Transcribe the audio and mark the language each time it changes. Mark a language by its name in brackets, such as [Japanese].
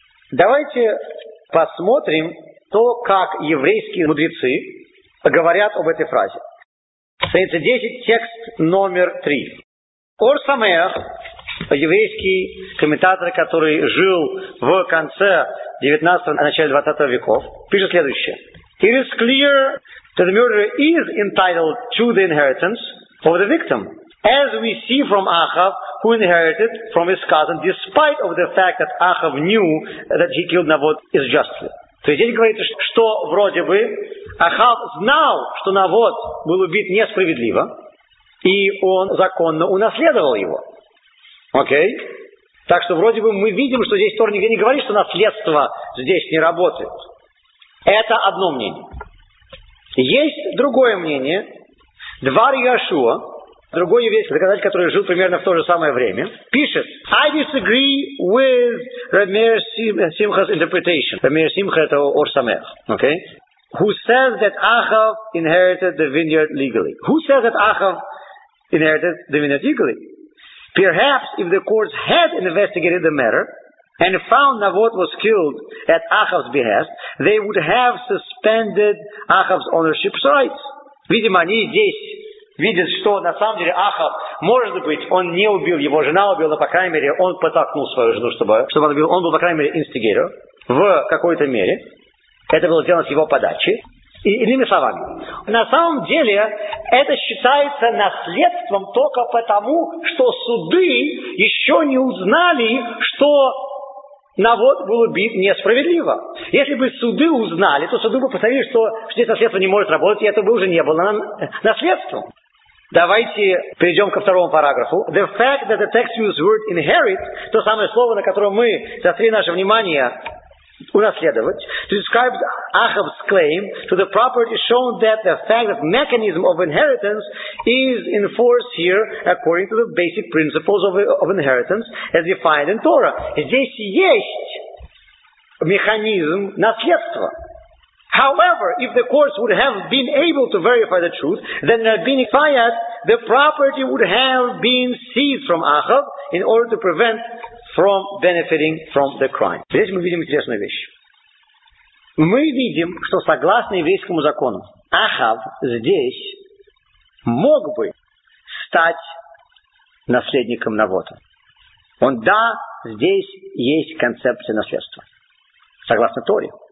[Russian] Давайте посмотрим то, как еврейские мудрецы говорят об этой фразе. Страница 10, текст номер 3. Ор Самеах, еврейский комментатор, который жил в конце 19-го, начале 20-го веков, пишет следующее. [English] It is clear that the murderer is entitled to the inheritance of the victim, as we see from Ahab, who inherited from his cousin, despite of the fact that Ahab knew that he killed Naboth is justly. [Russian] То есть здесь говорится, что вроде бы Ахав знал, что Навод был убит несправедливо, и он законно унаследовал его. Окей? Так что вроде бы мы видим, что здесь Тор нигде не говорит, что наследство здесь не работает. Это одно мнение. Есть другое мнение. Двар Йошуа, другой еврейский доказатель, который жил примерно в то же самое время, пишет: [English] I disagree with Рамир Симха's interpretation. [Russian] Рамир Симха это Ор Самеах. Окей? [English] Who says that Ahav inherited the vineyard legally? Who says that Ahav inherited the vineyard legally? Perhaps if the courts had investigated the matter and found Naboth was killed at Ahav's behest, they would have suspended Ahav's ownership rights. [Russian] Видимо, они здесь видят, что на самом деле Ахав, может быть, он не убил, его жена убила, но, по крайней мере, он подтолкнул свою жену, чтобы он убил. Он был, по крайней мере, инстигатор. в какой-то мере. Это было сделано с его подачи. И, иными словами, на самом деле это считается наследством только потому, что суды еще не узнали, что навод был убит несправедливо. Если бы суды узнали, то суды бы постановили, что, это наследство не может работать, и это бы уже не было наследством. Давайте перейдем ко второму параграфу. [English] The fact that the text used word inherit, [Russian] то самое слово, на котором мы заострили наше внимание, унаследовать, [English] to describe Ahab's claim to the property shown that the fact that mechanism of inheritance is in force here according to the basic principles of inheritance as defined in Torah. [Russian] Здесь есть механизм наследства. [English] However, if the courts would have been able to verify the truth, then Rabbinic Fayyad, the property would have been seized from Ahab in order to prevent from benefiting from the crime. [Russian] Здесь мы видим интересную вещь. Мы видим, что согласно еврейскому закону, Ахав здесь мог бы стать наследником навода. Он, да, здесь есть концепция наследства. Согласно Торе.